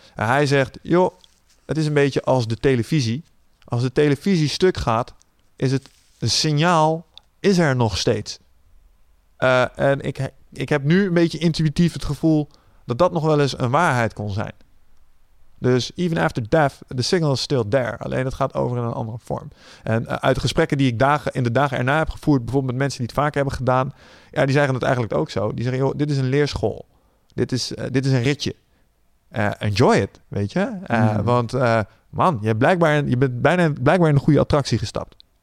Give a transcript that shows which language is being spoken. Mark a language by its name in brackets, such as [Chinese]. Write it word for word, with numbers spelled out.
[Dutch] En hij zegt, joh, het is een beetje als de televisie. Als de televisie stuk gaat, is het een signaal, is er nog steeds... Uh, en ik, ik heb nu een beetje intuïtief het gevoel dat dat nog wel eens een waarheid kon zijn. [English] Dus even after death, the signal is still there. [Dutch] Alleen het gaat over in een andere vorm. En uh, uit de gesprekken die ik dagen, in de dagen erna heb gevoerd, bijvoorbeeld met mensen die het vaak hebben gedaan, ja, die zeggen het eigenlijk ook zo. Die zeggen, joh, dit is een leerschool. Dit is, uh, dit is een ritje. Uh, [English] enjoy it, [Dutch] weet je. Uh, mm. Want uh, man, je, hebt blijkbaar, je bent bijna, blijkbaar in een goede attractie gestapt.